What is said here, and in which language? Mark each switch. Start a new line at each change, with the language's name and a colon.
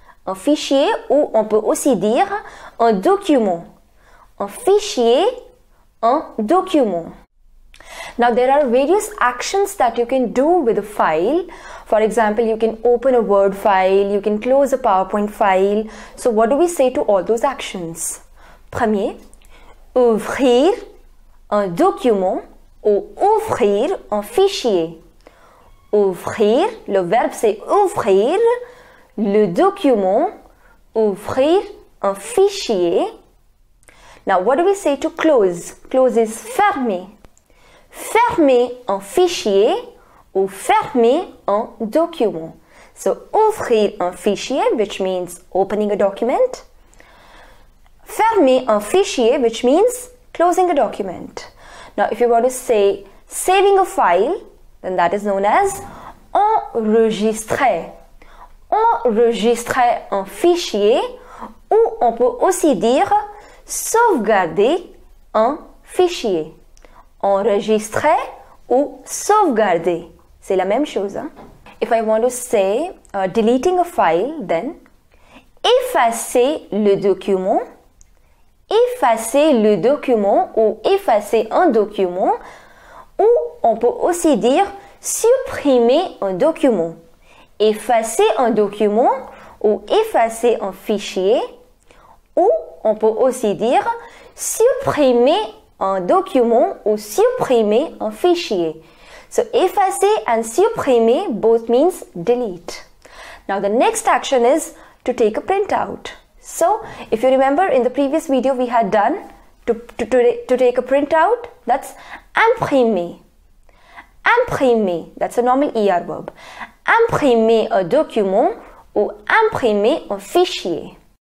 French: Un fichier, ou on peut aussi dire un document. Un fichier, un document.
English: Now, there are various actions that you can do with a file. For example, you can open a Word file, you can close a PowerPoint file. So, what do we say to all those actions?
French: Premier, ouvrir un document ou ouvrir un fichier. Ouvrir, le verbe c'est ouvrir le document, ouvrir un fichier.
English: Now, what do we say to close? Close is fermer.
French: Fermer un fichier ou fermer un document.
English: So,
French: ouvrir un fichier,
English: which means opening a document.
French: Fermer un fichier,
English: which means closing a document. Now, if you want to say saving a file, then that is known as enregistrer.
French: Enregistrer un fichier ou on peut aussi dire sauvegarder un fichier. Enregistrer ou sauvegarder, c'est la même chose. Hein?
English: If I want to say deleting a file, then
French: effacer le document. Effacer le document ou effacer un document. Ou on peut aussi dire supprimer un document. Effacer un document ou effacer un fichier. Ou on peut aussi dire supprimer un document ou supprimer un fichier.
English: So, effacer and supprimer both means delete. Now, the next action is to take a printout. So, if you remember in the previous video we had done to take a printout, that's imprimer.
French: Imprimer,
English: that's a normal ER verb.
French: Imprimer un document ou imprimer un fichier.